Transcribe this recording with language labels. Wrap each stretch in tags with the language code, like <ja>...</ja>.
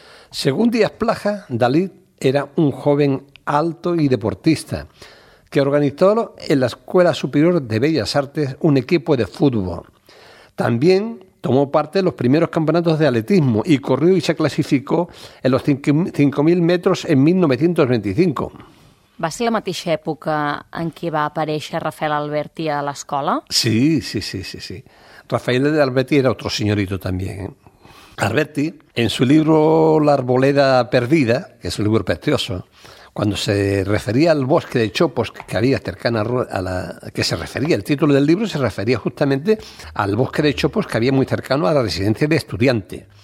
<es>Según Díaz Plaja, Dalí era un joven alto y deportista, que organizó en la Escuela Superior de Bellas Artes un equipo de fútbol. También tomó parte en los primeros campeonatos de atletismo y corrió y se clasificó en los 5.000 metros en 1925.</es> <ca>Va ser la mateixa època en què va aparèixer Rafael Alberti a l'escola?</ca> <es>Sí, sí, sí, sí, sí. Rafael Alberti era otro señorito también, ¿eh? Alberti, en su libro La arboleda perdida, que es un libro precioso, cuando se refería al bosque de chopos que había cercano a la... que se refería, el título del libro se refería justamente al bosque de chopos que había muy cercano a la residencia de estudiante.</es>